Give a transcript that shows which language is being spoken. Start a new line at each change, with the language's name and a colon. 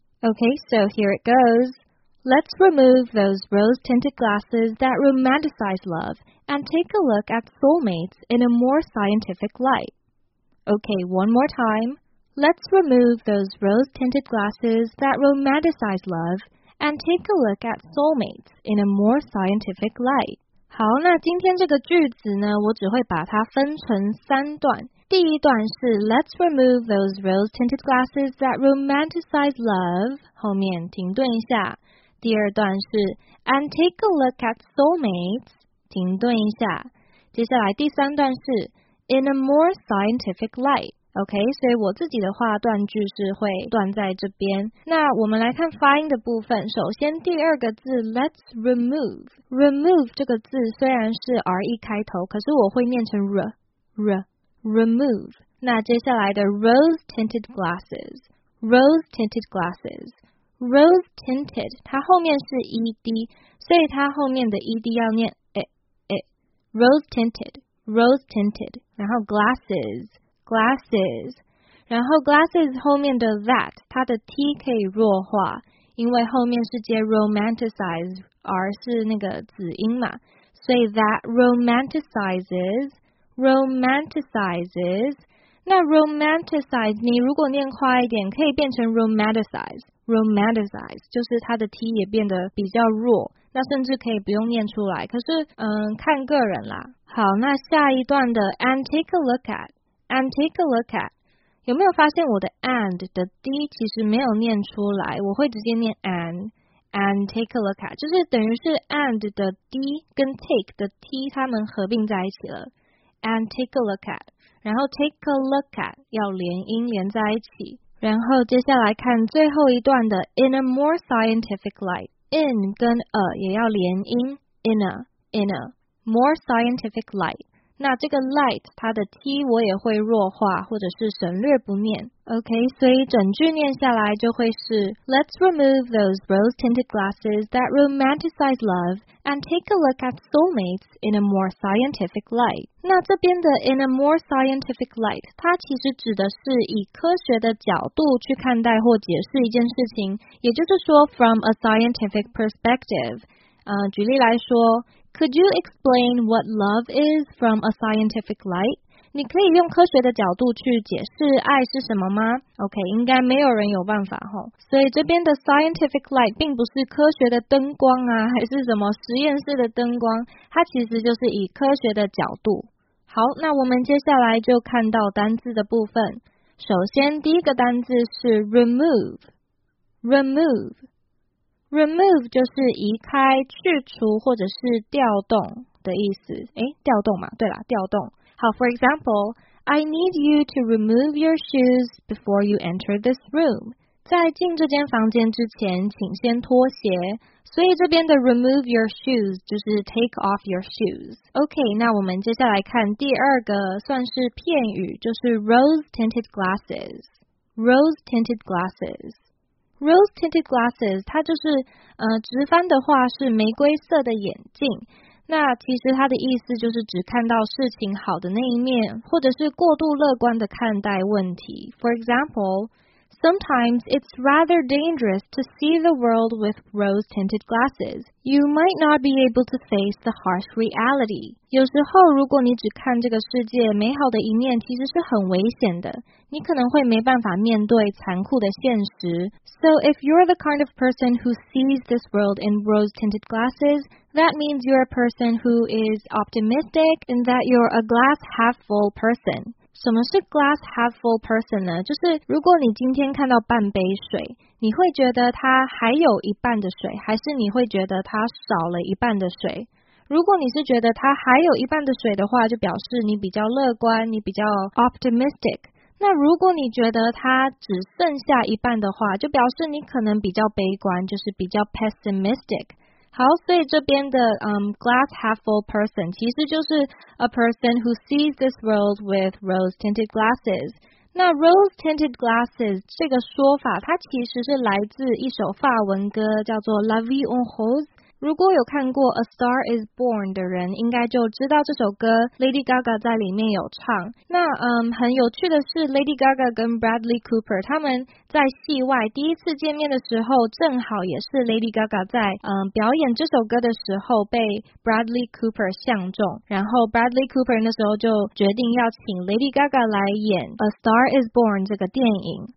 English: Okay, so here it goes. Let's remove those rose-tinted glasses that romanticize love and take a look at soulmates in a more scientific light. Okay, one more time. Let's remove those rose-tinted glasses that romanticize love and take a look at soulmates in a more scientific light.
Chinese: 好，那今天这个句子呢，我只会把它分成三段。第一段是
English: Let's remove those rose-tinted glasses that romanticize love，
Chinese: 后面停顿一下。第二段是
English: And take a look at soulmates，
Chinese: 停顿一下。接下来第三段是
English: In a more scientific light。
Chinese: OK， 所以我自己的话断句是会断在这边。那我们来看发音的部分，首先第二个字
English: let's remove，
Chinese: remove 这个字虽然是 R E 开头，可是我会念成 R R remove。那接下来的 rose tinted glasses， rose tinted glasses， rose tinted 它后面是 ED， 所以它后面的 ED 要念 rose tinted， rose tinted， 然后 glassesglasses， 然后 glasses 后面的 that 它的 t 可以弱化，因为后面是接 romanticize， r 是那个子音嘛，所以 that romanticizes， romanticizes，那 romanticize 你如果念快一点可以变成 romanticize， romanticize， 就是它的 t 也变得比较弱，那甚至可以不用念出来，可是看个人啦。好，那下一段的
English: and take a look atAnd take a look at，
Chinese: 有没有发现我的 and 的 d 其实没有念出来，我会直接念 and，
English: and take a look at，
Chinese: 就是等于是 and 的 d 跟 take 的 t 它们合并在一起了，
English: and take a look at，
Chinese: 然后
English: take a look at
Chinese: 要连音连在一起，然后接下来看最后一段的
English: in a more scientific light，
Chinese: in 跟 a 也要连音， in a， in a，
English: more scientific light，
Chinese: 那这个 light 它的 t 我也会弱化或者是省略不念。
English: OK，
Chinese: 所以整句念下来就会是
English: Let's remove those rose tinted glasses that romanticize love and take a look at soulmates in a more scientific light。
Chinese: 那这边的 in a more scientific light 它其实指的是以科学的角度去看待或解释一件事情，也就是说
English: from a scientific perspective。举例来说，Could you explain what love is from a scientific light?
Chinese: 你可以用科学的角度去解释爱是什么吗？ OK， 应该没有人有办法齁。所以这边的 scientific light 并不是科学的灯光啊，还是什么实验室的灯光，它其实就是以科学的角度。好，那我们接下来就看到单字的部分。首先第一个单字是 remove， remove。 Remove 就是移开、去除或者是调动的意思。诶，调动嘛，对啦，调动。
English: 好 ，For example, I need you to remove your shoes before you enter this room.
Chinese: 在进这间房间之前，请先脱鞋。所以这边的 remove your shoes 就是 take off your shoes。 OK， 那我们接下来看第二个算是片语，就是 rose tinted glasses。 Rose tinted glasses。 Rose tinted glasses， 它就是直翻的话是玫瑰色的眼镜。那其实它的意思就是只看到事情好的那一面，或者是过度乐观的看待问题。
English: For example， Sometimes it's rather dangerous to see the world with rose-tinted glasses. You might not be able to face the harsh reality.
Chinese: 有时候如果你只看这个世界美好的一面其实是很危险的。你可能会没办法面对残酷的现实。
English: So if you're the kind of person who sees this world in rose-tinted glasses, that means you're a person who is optimistic and that you're a glass half-full person.
Chinese: 什么是 glass half full person 呢？就是如果你今天看到半杯水，你会觉得它还有一半的水，还是你会觉得它少了一半的水？如果你是觉得它还有一半的水的话，就表示你比较乐观，你比较 optimistic。那如果你觉得它只剩下一半的话，就表示你可能比较悲观，就是比较 pessimistic。好，所以这边的glass half full person 其实就是
English: a person who sees this world with rose-tinted glasses。
Chinese: 那 rose-tinted glasses 这个说法，它其实是来自一首法文歌，叫做 La Vie en Rose。如果有看过 A Star Is Born 的人，应该就知道这首歌 Lady Gaga 在里面有唱。那很有趣的是 ，Lady Gaga 跟 Bradley Cooper 他们在戏外第一次见面的时候，正好也是 Lady Gaga 在表演这首歌的时候被 Bradley Cooper 相中，然后 Bradley Cooper 那时候就决定要请 Lady Gaga 来演 A Star Is Born 这个电影。